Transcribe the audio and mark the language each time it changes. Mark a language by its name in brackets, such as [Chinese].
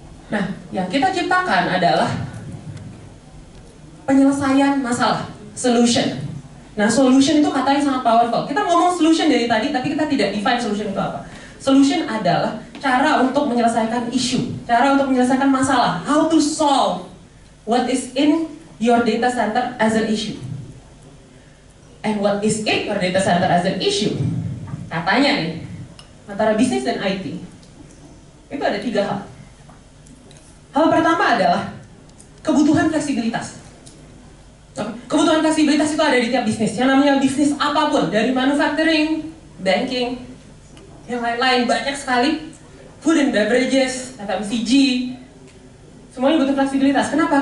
[Indonesian] Nah, yang kita ciptakan adalah penyelesaian masalah, solution. Nah, solution itu katanya sangat powerful. Kita ngomong solution dari tadi, tapi kita tidak define solution itu apa. Solution adalah cara untuk menyelesaikan isu, cara untuk menyelesaikan masalah. [English] How to solve what is in your data center as an issue. And what is in your data center as an issue? [Indonesian] Katanya nih, antara bisnis dan IT, itu ada tiga hal. Hal pertama adalah kebutuhan fleksibilitas. Kebutuhan fleksibilitas itu ada di tiap bisnis. Yang namanya bisnis apapun, dari manufacturing, banking, yang lain-lain banyak sekali, food and beverages, FMCG, semuanya butuh fleksibilitas. Kenapa?